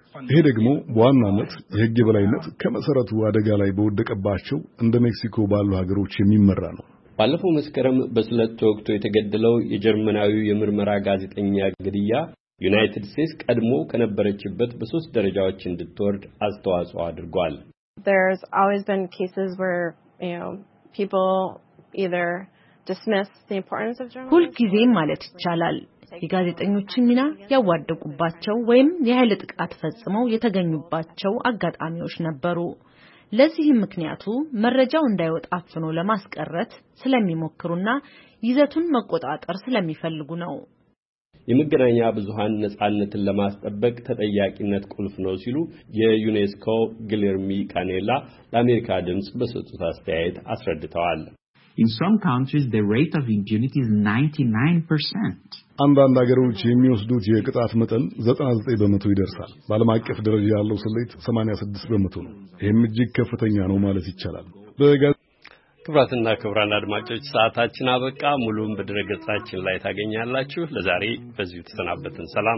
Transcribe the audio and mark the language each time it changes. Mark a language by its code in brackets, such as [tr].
[am] ይሄ ደግሞ በዋናነት የህግ የበላይነት ከመሰረቱ አደጋ ላይ በወደቀባቸው እንደ ሜክሲኮ ባሉ ሀገሮች የሚመራ ነው። ባለፈው መስከረም በስለት ወቅቱ የተገደለው የጀርመናዊው የምርመራ ጋዜጠኛ ግድያ ዩናይትድ ስቴትስ ቀድሞ ከነበረችበት በሶስት ደረጃዎች እንድትወርድ አስተዋጽኦ አድርጓል። [en] There's always been cases where, people either dismiss the importance of journalism. [am] ሁልጊዜም ማለት ይቻላል የጋዜጠኞችን ሚና ያዋደቁባቸው ወይም የኃይለ ጥቃት ፈጽመው የተገኙባቸው አጋጣሚዎች ነበሩ። ለዚህም ምክንያቱ መረጃው እንዳይወጣ አፍኖ ለማስቀረት ስለሚሞክሩና ይዘቱን መቆጣጠር ስለሚፈልጉ ነው። የመገናኛ ብዙሃን ነጻነትን ለማስጠበቅ ተጠያቂነት ቁልፍ ነው ሲሉ የዩኔስኮ ግሌርሚ ካኔላ ለአሜሪካ ድምጽ በሰጡት አስተያየት አስረድተዋል። [en] In some countries the rate of impunity is 99%. [am] አንዳንድ ሀገሮች የሚወስዱት የቅጣት መጠን 99% ይደርሳል። ባለም አቀፍ ደረጃ ያለው ስሌት 86% ነው። ይህም እጅግ ከፍተኛ ነው ማለት ይቻላል። ክብራትና ክብራን አድማጮች ሰዓታችን አበቃ። ሙሉን በድረገጻችን ላይ ታገኛላችሁ። ለዛሬ በዚሁ ተሰናበትን። ሰላም።